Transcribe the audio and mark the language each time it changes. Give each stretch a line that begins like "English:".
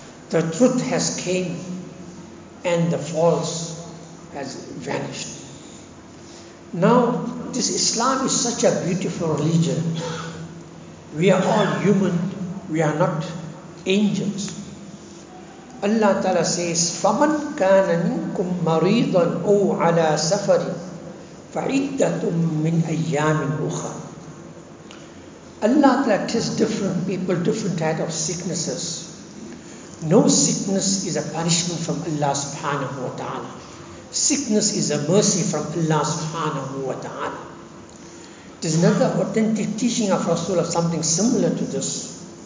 English: The truth has came and the false has vanished. Now, this Islam is such a beautiful religion. We are all human, we are not angels. Allah Ta'ala says,
Arabic: فَمَنْ كَانَ مِنْكُمْ مَرِيضًا أَوْ عَلَى سَفَرٍ فَعِدَّةٌ مِّنْ أَيَّامٍ أُخَرٍ.
English: Allah Ta'ala tests different people, different types of sicknesses. No sickness is a punishment from Allah subhanahu wa ta'ala. Sickness is a mercy from Allah subhanahu wa ta'ala. It is another authentic teaching of Rasulullah, something similar to this.